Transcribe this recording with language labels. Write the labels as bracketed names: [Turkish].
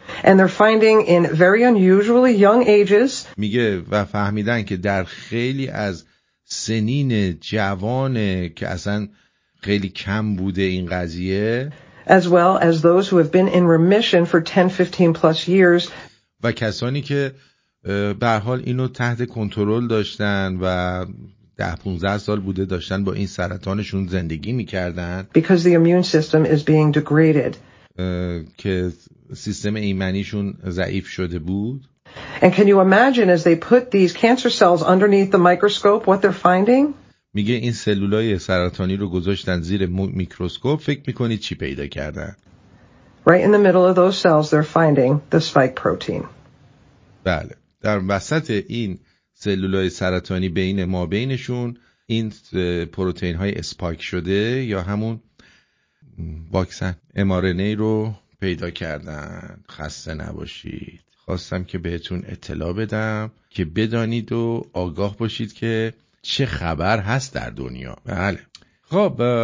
[English] And they're finding in very unusually young ages. [Persian] میگه و فهمیدن که در خیلی از سنین جوان که اصلا خیلی کم بوده این قضیه. [English] As well as those who have been in remission for 10-15 plus years. [Persian] و کسانی که به هر حال اینو تحت کنترل داشتن و 10-15 سال بوده داشتن با این سرطانشون زندگی میکردن [English] because the immune system is being degraded [Persian] که سیستم ایمنیشون ضعیف شده بود [English] and can you imagine as they put these cancer cells underneath the microscope what they're finding [Persian] میگه این سلولای سرطانی رو گذاشتن زیر میکروسکوپ فکر میکنید چی پیدا کردن [English] right in the middle of those cells they're finding the spike protein [Persian] بله در وسط این سلولای سرطانی بین ما بینشون این پروتئین های اسپایک شده یا همون واکسن mRNA رو پیدا کردن خسته نباشید خواستم که بهتون اطلاع بدم که بدانید و آگاه باشید که چه خبر هست در دنیا بله خب